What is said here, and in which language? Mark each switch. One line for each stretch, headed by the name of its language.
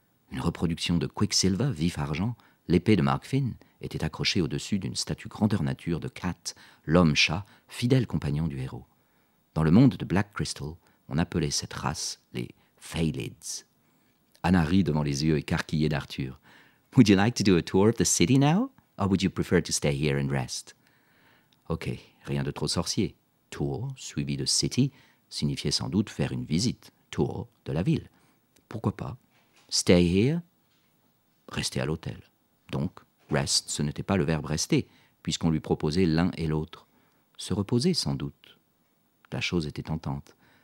French: Une reproduction de Quicksilver, vif argent, l'épée de Mark Finn était accrochée au-dessus d'une statue grandeur nature de Cat, l'homme-chat, fidèle compagnon du héros. Dans le monde de Black Crystal, on appelait cette race les Phaelids. Anna rit devant les yeux écarquillés d'Arthur.
English: « Would you like to do a tour of the city now? Or would you prefer to stay here and rest? »
French: Ok, rien de trop sorcier. Tour, suivi de city, signifiait sans doute faire une visite. Tour de la ville. Pourquoi pas?
English: Stay here?
French: Rester à l'hôtel. Donc, rest, ce n'était pas le verbe rester, puisqu'on lui proposait l'un et l'autre. Se reposer, sans doute. La chose était tentante.